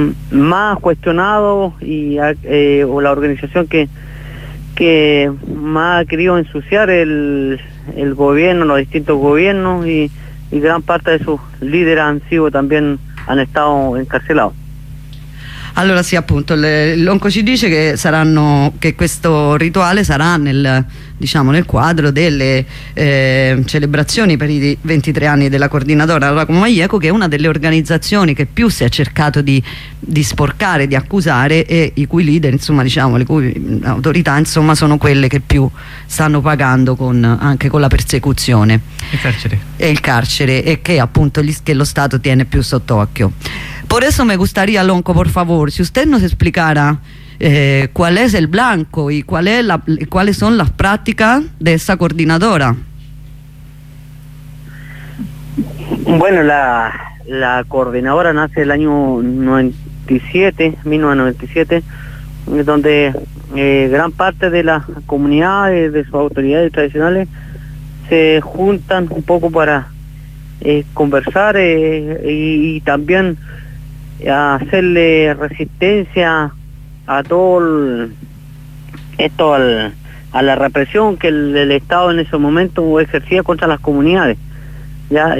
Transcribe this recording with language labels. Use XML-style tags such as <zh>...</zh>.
<es>más cuestionado y o la organización que más ha querido ensuciar el gobierno, los distintos gobiernos, y gran parte de sus líderes han sido también, han estado encarcelados.</es> <it>Allora sì, appunto, l'Onco ci dice che saranno, che questo rituale sarà nel, diciamo, nel quadro delle celebrazioni per i 23 anni della coordinadora Arauco Mayeco, che è una delle organizzazioni che più si è cercato di sporcare, di accusare, e i cui leader, insomma, diciamo, le cui autorità, insomma, sono quelle che più stanno pagando anche con la persecuzione. Il carcere. E il carcere, e che appunto che lo Stato tiene più sott'occhio.</it> <es>Por eso me gustaría, Lonco, por favor, si usted nos explicara cuál es el blanco y cuáles son las prácticas de esa coordinadora. Bueno, la coordinadora nace el año 1997, donde gran parte de las comunidades, de sus autoridades tradicionales, se juntan un poco para conversar y también hacerle resistencia a todo esto, a la represión que el Estado en ese momento ejercía contra las comunidades, ¿ya?</es>